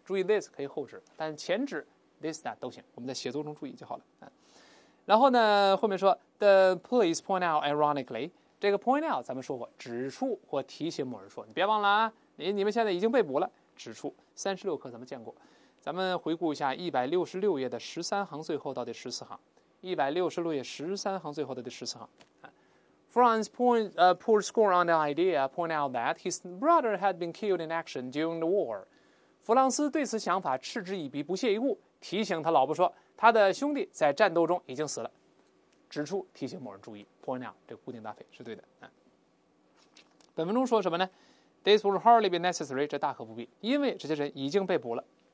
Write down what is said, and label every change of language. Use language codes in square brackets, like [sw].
[zh] 注意 this 可以后指，但前指 this that 都行，我们在写作中注意就好了。然后呢，后面说 [en] the police point out ironically， [zh] 这个 point out 咱们说过，指出或提醒某人说，你别忘了啊， 你们现在已经被捕了，指出36课咱们见过。咱们回顾一下166页的13行最后到第14行，166页13行最后的第14行。 [en] Franz poured scorn on the idea, point out that his brother had been killed in action during the war. [zh] 弗朗斯对此想法嗤之以鼻，不屑一顾，提醒他老婆说他的兄弟在战斗中已经死了，指出提醒某人注意， point out 这固定搭配是对的。本文中说什么呢？ [en] This would hardly be necessary， [zh] 这大可不必，因为这些人已经被捕了。